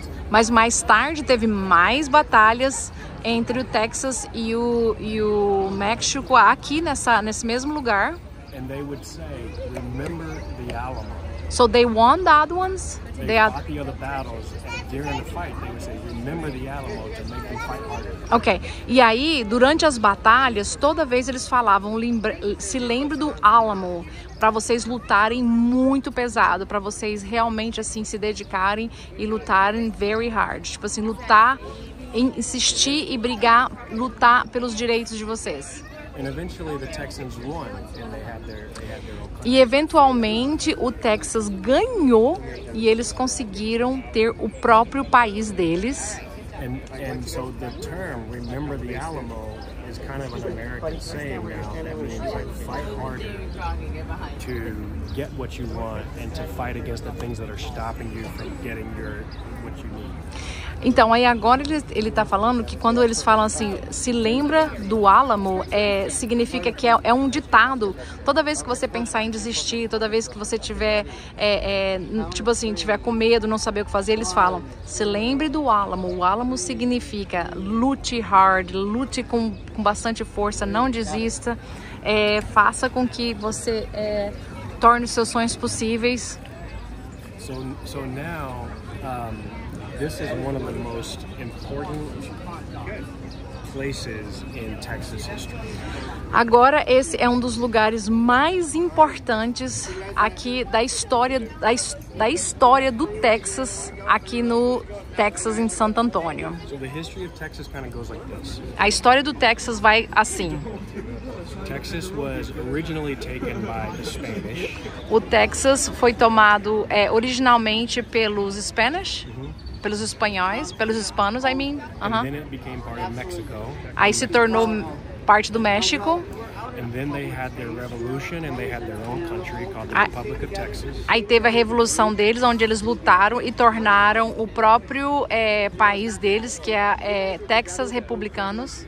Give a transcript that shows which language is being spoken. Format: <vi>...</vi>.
<pt>Mas mais tarde teve mais batalhas entre o Texas e o México aqui nesse mesmo lugar.</pt> <en>And they would say, "Remember the Alamo." So they won the other ones. They fought the other battles and during the fight. They would say, "Remember the Alamo to make them fight harder." Okay.</en> <pt>E aí durante as batalhas toda vez eles falavam, se lembre do Alamo. Para vocês lutarem muito pesado, para vocês realmente assim se dedicarem e lutarem</pt> <en>very hard,</en> <pt>tipo assim, lutar, insistir e brigar, lutar pelos direitos de vocês.</pt> <en>And eventually the Texans won and</en> <pt>E eventualmente o Texas ganhou e eles conseguiram ter o próprio país deles.</pt> <en>And so the term remember the Alamo is kind of an American saying now. That means like fight harder to get what you want and to fight against the things that are stopping you from getting your what you need.</en> <pt>Então, aí agora ele está falando que quando eles falam assim, se lembra do Álamo, significa que é um ditado. Toda vez que você pensar em desistir, toda vez que você tiver, tipo assim, tiver com medo, não saber o que fazer, eles falam, se lembre do Álamo. O Álamo significa lute hard, lute com bastante força, não desista, faça com que você torne os seus sonhos possíveis.</pt> <en>So now, this is one of the most important places in Texas history.</en> <pt>Agora esse é um dos lugares mais importantes aqui da história da história do Texas aqui no Texas em Santo Antônio.</pt> <en>So the history of Texas kind of goes like this.</en> <pt>A história do Texas vai assim.</pt> <en>Texas was originally taken by the Spanish.</en> <pt>O Texas foi tomado originalmente pelos Spanish. Pelos espanhóis, pelos hispanos,</pt> <en>I mean. And then it became part of Mexico.</en> <pt>Aí se tornou parte do México.</pt> <en>And then they had their revolution and they had their own country called the Republic of Texas.</en> <pt>Aí teve a revolução deles, onde eles lutaram e tornaram o próprio país deles, que é Texas Republicanos.</pt>